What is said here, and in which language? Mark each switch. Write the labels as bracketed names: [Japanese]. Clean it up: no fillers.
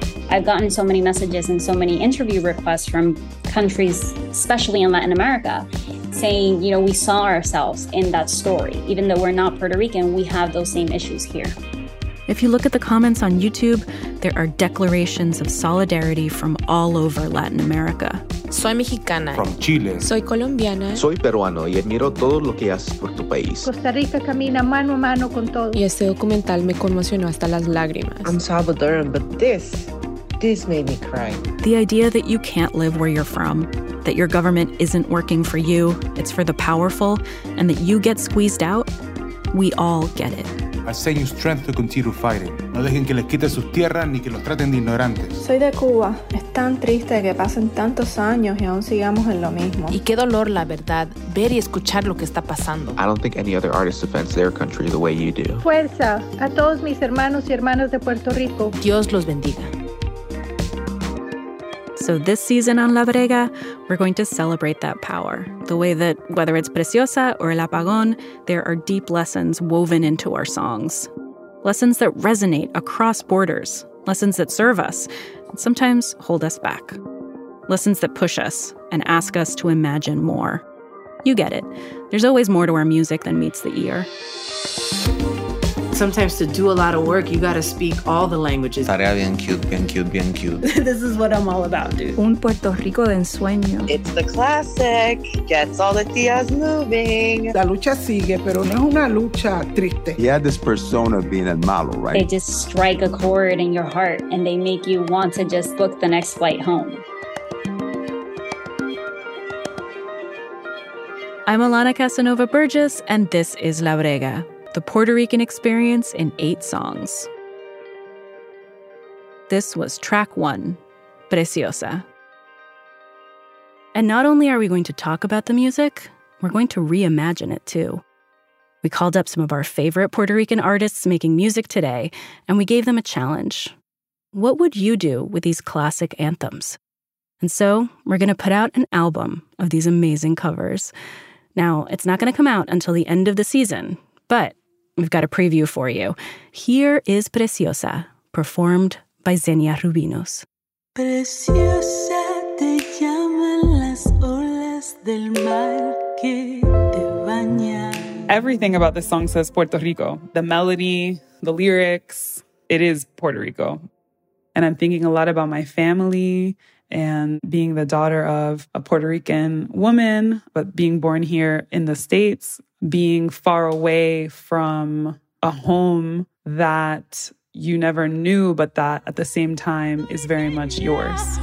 [English] I've gotten so many messages and so many interview requests from countries, especially in Latin America, saying, you know, we saw ourselves in that story. Even though we're not Puerto Rican, we have those same issues here. If you look at the comments on YouTube, there are declarations of solidarity from all over Latin America. [Spanish] Soy mexicana. [English] From Chile. [Spanish] Soy colombiana. Soy peruano y admiro todo lo que haces por tu país. Costa Rica camina mano a mano con todo. Y este documental me conmocionó hasta las lágrimas. [English] I'm Salvadoran, but this made me cry. The idea that you can't live where you're from, that your government isn't working for you, it's for the powerful, and that you get squeezed out, we all get it. I send you strength to continue fighting. [Spanish] No dejen que les quiten sus tierras ni que los traten de ignorantes. Soy de Cuba. Es tan triste que pasen tantos años y aún sigamos en lo mismo. Y qué dolor, la verdad, ver y escuchar lo que está pasando. [English] I don't think any other artist defends their country the way you do. [Spanish] Fuerza a todos mis hermanos y hermanas de Puerto Rico. Dios los bendiga. [English] So this season on La Brega, we're going to celebrate that power. The way that, whether it's Preciosa or El Apagón, there are deep lessons woven into our songs. Lessons that resonate across borders. Lessons that serve us, and sometimes hold us back. Lessons that push us and ask us to imagine more. You get it. There's always more to our music than meets the ear. Sometimes to do a lot of work, you gotta speak all the languages. [Spanish] Tarea bien cute, bien cute, bien cute. [English] This is what I'm all about, dude. [Spanish] Un Puerto Rico de ensueño. [English] It's the classic, gets all the tías moving. [Spanish] La lucha sigue, pero no es una lucha triste. [English] He had this persona being [Spanish] el malo, [English] right? They just strike a chord in your heart and they make you want to just book the next flight home. I'm Alana Casanova Burgess, and this is La Brega. The Puerto Rican Experience in 8 Songs. This was track 1, Preciosa. And not only are we going to talk about the music, we're going to reimagine it too. We called up some of our favorite Puerto Rican artists making music today, and we gave them a challenge. What would you do with these classic anthems? And so we're going to put out an album of these amazing covers. Now, it's not going to come out until the end of the season, but we've got a preview for you. Here is Preciosa, performed by Xenia Rubinos. [Spanish] Preciosa te llaman las olas del mar que te baña. [English] Everything about this song says Puerto Rico. The melody, the lyrics, it is Puerto Rico. And I'm thinking a lot about my family and being the daughter of a Puerto Rican woman, but being born here in the States. Being far away from a home that you never knew, but that at the same time is very much yours.